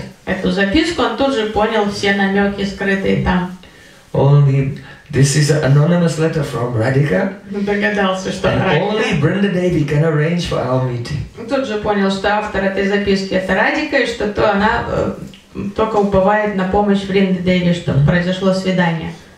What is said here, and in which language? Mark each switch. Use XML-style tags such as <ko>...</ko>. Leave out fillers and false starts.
<ru>эту записку, он тут же понял все намеки, скрытые там.</ru> <en>Only this is an anonymous letter from Radhika.</en> <ru>Догадался, что</ru> <en>Radhika. Only Vrindadevi can arrange for our meeting.</en> <ru>Тут же понял, что автор этой записки это Радика и что то она только уповает на помощь Vrindadevi, чтобы произошло свидание.</ru>